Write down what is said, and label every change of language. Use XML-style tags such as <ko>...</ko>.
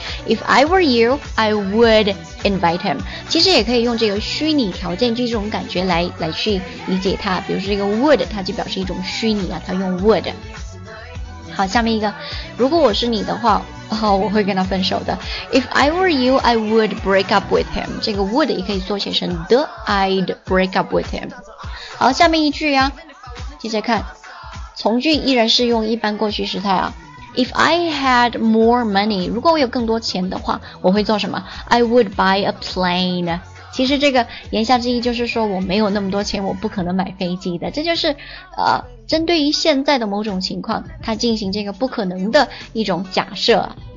<en>If I were you, I would invite him，</en> <zh>其实也可以用这个虚拟条件这种感觉来去理解它。比如说这个 would 它就表示一种虚拟啊，它用 would。好，下面一个，如果我是你的话，我会跟他分手的。</zh> <en>If I were you, I would break up with him，</en> <zh>这个 would 也可以缩写成</zh> <en>the I'd break up with him。</en> <zh>好，下面一句呀，接着看从句依然是用一般过去时态啊。</zh> <en>If I had more money，</en> <zh>如果我有更多钱的话，我会做什么？</zh> <en>I would buy a plane。</en> <zh>其实这个言下之意就是说，我没有那么多钱，我不可能买飞机的。这就是针对于现在的某种情况，它进行这个不可能的一种假设。</zh>